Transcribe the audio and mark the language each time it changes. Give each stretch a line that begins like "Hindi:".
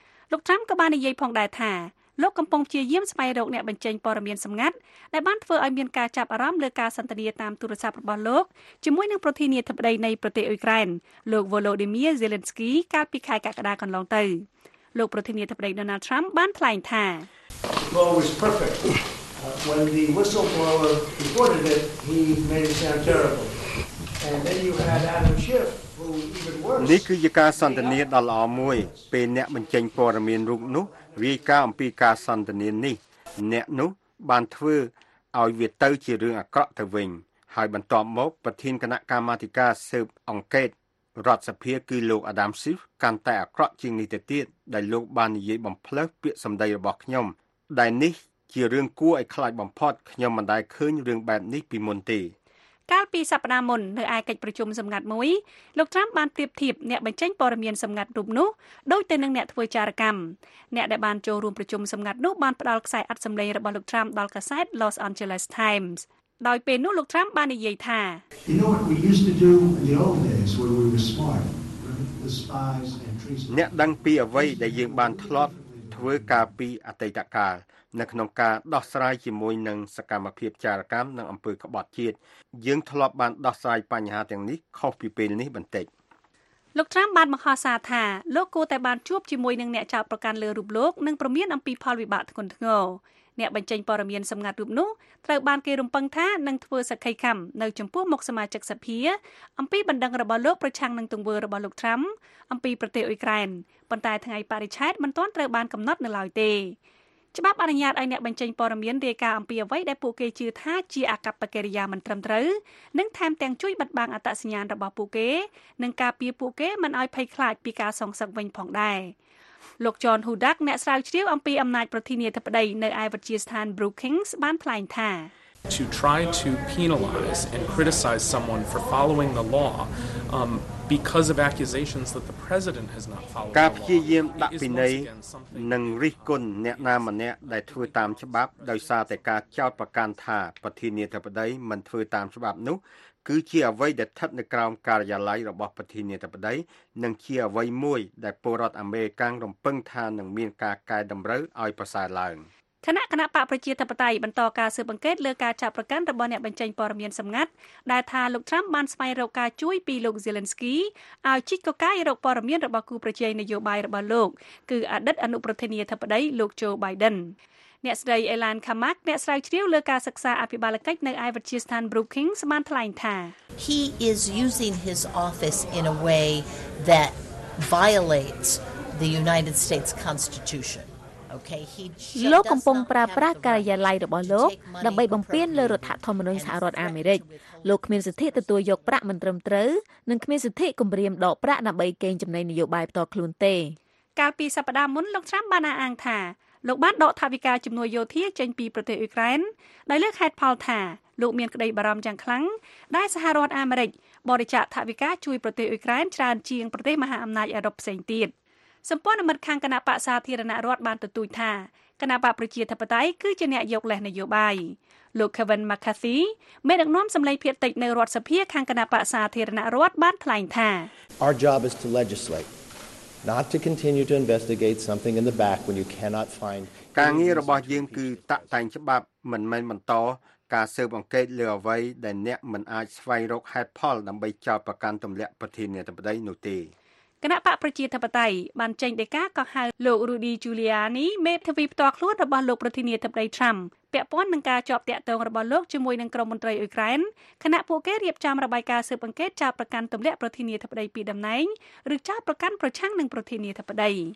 Khmer: លោកត្រាំក៏បាននិយាយផងដែរថាលោកកំពុងព្យាយាមស្វែងរកអ្នកបញ្ចេញព័ត៌មានសម្ងាត់ដែលបានធ្វើឲ្យមានការចាប់អារម្មណ៍លើការសន្ទនាតាមទូរស័ព្ទរបស់លោកជាមួយនឹងប្រធានាធិបតីនៃប្រទេសអ៊ុយក្រែនលោក Volodymyr Zelensky កាលពីខែកក្កដាកន្លងទៅលោកប្រធានាធិបតី Donald Trump បានថ្លែងថា
English: "Well, it was perfect. When the whistleblower reported it, he made it sound terrible. And then you had Adam Schiff."
Khmer: នេះគឺជាការសន្ទនាដ៏ល្អមួយពេលអ្នកបញ្ចេញព័ត៌មានរូបនោះរាយការណ៍អំពីការសន្ទនានេះអ្នកនោះបានធ្វើឲ្យវាទៅជារឿងអាក្រក់ទៅវិញហើយបន្ទាប់មកប្រធានគណៈកម្មាធិការស៊ើបអង្កេតរដ្ឋសភាគឺលោកអាដាមស៊ីហ្វកាន់តែអាក្រក់ជាងនេះទៅទៀតដែលលោកបាននិយាយបំផ្លើសពាក្យសម្ដីរបស់ខ្ញុំដែលនេះជារឿងគួរឲ្យខ្លាចបំផុតខ្ញុំមិនដែលឃើញរឿងបែបនេះពីមុនទេ កាលពីសប្តាហ៍មុននៅឯកិច្ចប្រជុំសម្ងាត់មួយលោកត្រាំបានទៀបធៀបអ្នកបញ្ចេញព័ត៌មានសម្ងាត់រូបនោះដូចទៅនឹងអ្នកធ្វើចារកម្មអ្នកដែលបានចូលរួមប្រជុំសម្ងាត់នោះបានផ្ដល់ខ្សែអត្ថសម្លេងរបស់លោកត្រាំដល់កាសែត Los Angeles Times ដោយពេលនោះលោកត្រាំបាននិយាយថា
English: You know what we used to do in the old days when we were smart the spies and treason
Khmer: អ្នកដឹងពីអ្វីដែលយើងបានធ្លាប់ធ្វើកាលពីអតីតកាលនៅក្នុងការដោះស្រាយជាមួយនឹងសកម្មភាពចារកម្មនៅអំពើក្បត់ជាតិយើងធ្លាប់បានដោះស្រាយបញ្ហាទាំងនេះខុសពីពេលនេះបន្តិច លោកត្រាំបានបង្ហោះសារថាលោកគូតែបានជួបជាមួយនឹងអ្នកចោទប្រកាន់លើរូបលោកនិងព្រមានអំពីផលវិបាកធ្ងន់ធ្ងរអ្នកបញ្ចេញព័ត៌មានសម្ងាត់រូបនោះត្រូវបានគេរំពឹងថានឹងធ្វើសក្ខីកម្មនៅចំពោះមុខសមាជិកសភាអំពីបណ្ដឹងរបស់លោកប្រឆាំងនឹងទង្វើរបស់លោកត្រាំអំពីប្រទេសអ៊ុយក្រែនប៉ុន្តែថ្ងៃបរិច្ឆេទមិនទាន់ត្រូវបានកំណត់នៅឡើយទេ ច្បាប់អនុញ្ញាតឲ្យអ្នកបញ្ចេញព័ត៌មានរាយការណ៍អំពីអ្វីដែលពួកគេជឿថាជាអកប្បកិរិយាមិនត្រឹមត្រូវនិងថែមទាំងជួយបិទបាំងអត្តសញ្ញាណរបស់ពួកគេនិងការពារពួកគេមិនឲ្យភ័យខ្លាចពីការសងសឹកវិញផងដែរលោកចនហ៊ូដាក់អ្នកស្រាវជ្រាវអំពីអំណាចប្រធានាធិបតីនៅឯវិទ្យាស្ថាន Brookings បានថ្លែងថា
English: To try to penalize and criticize someone for following the law because of accusations that the president has not followed
Khmer: ការព្យាយាមដាក់ពិន័យនិងរិះគន់អ្នកណាម្នាក់ដែលធ្វើតាមច្បាប់ដោយសារតែការចោទប្រកាន់ថាប្រធានាធិបតីមិនធ្វើតាមច្បាប់នោះគឺជាអ្វីដែលស្ថិតនៅក្រោមការិយាល័យរបស់ប្រធានាធិបតីនិងជាអ្វីមួយដែលពលរដ្ឋអាមេរិករំពឹងថានឹងមានការកែតម្រូវឲ្យប្រសើរឡើង គណៈកណបប្រជាធិបតេយ្យបន្តការស៊ើបអង្កេតលើការចាប់ប្រកាន់របស់អ្នកបញ្ចេញព័ត៌មានសម្ងាត់ដែលថាលោកត្រាំបានស្វែងរកការជួយពីលោក Zelensky ឲ្យជីកកកាយរកព័ត៌មានរបស់គូប្រជែងនយោបាយរបស់លោកគឺអតីតអនុប្រធានាធិបតីលោក Joe Biden អ្នកស្រី Elan Kamak អ្នកស្រាវជ្រាវលើការសិក្សាអភិបាលកិច្ចនៅឯវិទ្យាស្ថាន Brookings បានថ្លែងថា
English: He is using his office in a way that violates the United States Constitution.
Khmer: លោកកំពុងប្រើប្រាស់ការិយាល័យរបស់លោកដើម្បីបំពានលើរដ្ឋធម្មនុញ្ញសហរដ្ឋអាមេរិកលោកគ្មានសិទ្ធិទទួលយកប្រាក់មិនត្រឹមត្រូវនិងគ្មានសិទ្ធិគម្រាមដកប្រាក់ដើម្បីកេងចំណេញនយោបាយផ្ទាល់ខ្លួនទេ កាលពីសប្តាហ៍មុនលោកត្រាំបានអាងថាលោកបានដកថវិកាជំនួយយោធាចេញពីប្រទេសអ៊ុយក្រែនដោយលើកហេតុផលថាលោកមានក្តីបារម្ភយ៉ាងខ្លាំងដែលសហរដ្ឋអាមេរិកបរិច្ចាគថវិកាជួយប្រទេសអ៊ុយក្រែនច្រើនជាងប្រទេសមហាអំណាចអឺរ៉ុបផ្សេងទៀតសម្ព័ន្ធមិត្តខាងគណៈបក្សសាធារណរដ្ឋបានទទូចថាគណៈបក្សប្រជាធិបតេយ្យគឺជាអ្នកយកលេសនយោបាយលោក Kevin McCarthy មេដឹកនាំសម្លេងភៀតតិចនៅរដ្ឋសភាខាងគណៈបក្សសាធារណរដ្ឋបានថ្លែងថា
English: Our job is to legislate not to continue to investigate something in the back when you cannot find
Khmer: ការងាររបស់យើងគឺតតែងច្បាប់មិនមែនបន្តការស៊ើបអង្កេតលើអ្វីដែលអ្នកមិនអាចស្វែងរកហេតុផលដើម្បីចោទប្រកាន់ទម្លាក់ប្រធានាធិបតីនោះទេ គណៈបកប្រជាធិបតេយ្យបានចេញដីកាកោះហៅលោករូឌីជូលីអានីមេធាវីផ្ទាល់ខ្លួនរបស់លោកប្រធានាធិបតីត្រាំពាក់ព័ន្ធនឹងការជាប់ទាក់ទងរបស់លោកជាមួយនឹងក្រុមមន្ត្រីអ៊ុយក្រែនខណៈពួកគេរៀបចំរបាយការណ៍ស៊ើបអង្កេតចោទប្រកាន់ទម្លាក់ប្រធានាធិបតីពីដំណែងឬចោទប្រកាន់ប្រឆាំងនឹងប្រធានាធិបតី